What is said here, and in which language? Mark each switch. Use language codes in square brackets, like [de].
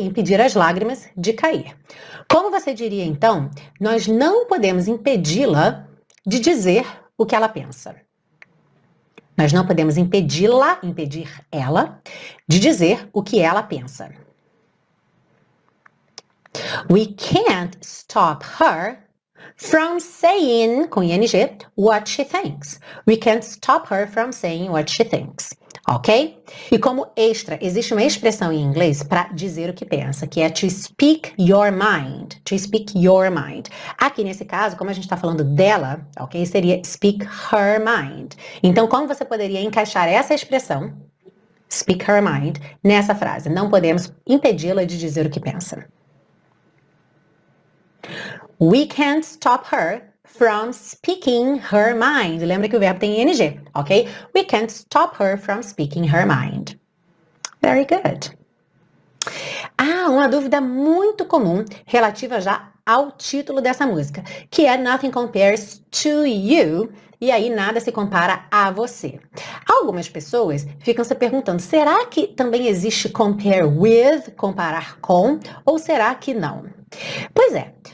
[pt] Impedir as lágrimas de cair. Como você diria então? Nós não podemos impedi-la de dizer o que ela pensa. Nós não podemos impedi-la, impedir ela, de dizer o que ela pensa. [en] We can't stop her from saying, com ing, what she thinks. We can't stop her from saying what she thinks. Ok? [pt] E como extra, existe uma expressão em inglês para dizer o que pensa, que é [en] to speak your mind. To speak your mind. [pt] Aqui nesse caso, como a gente está falando dela, ok? Seria speak her mind. Então, como você poderia encaixar essa expressão, speak her mind, nessa frase? Não podemos impedi-la de dizer o que pensa. [en] We can't stop her from speaking her mind. [pt] Lembra que o verbo tem ing, ok? [en] We can't stop her from speaking her mind. Very good. [pt] Ah, uma dúvida muito comum relativa já ao título dessa música, que é Nothing Compares to You. E aí nada se compara a você. Algumas pessoas ficam se perguntando: será que também existe compare with, comparar com, ou será que não? Pois é.